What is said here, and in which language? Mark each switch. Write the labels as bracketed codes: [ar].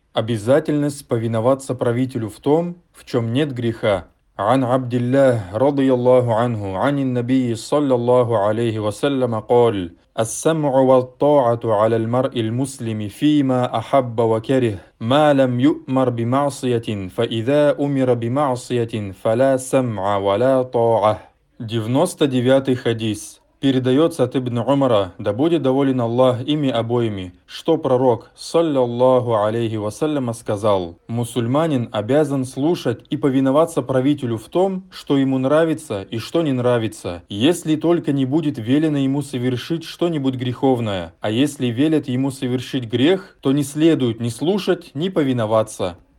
[ru] Обязательность повиноваться правителю в том, в чем нет греха. [ar] عن عبد الله رضي الله عنه عن النبي صلى الله عليه وسلم قال السمع والطاعة على المرء المسلم فيما أحب وكره ما لم يؤمر بمعصية فإذا أمر بمعصية فلا سمع ولا طاعة. 99 حديث. [ru] Передается от Ибн Умара, да будет доволен Аллах ими обоими, что пророк, саллиллаху алейхи вассаляма, сказал, «Мусульманин обязан слушать и повиноваться правителю в том, что ему нравится и что не нравится, если только не будет велено ему совершить что-нибудь греховное, а если велят ему совершить грех, то не следует ни слушать, ни повиноваться».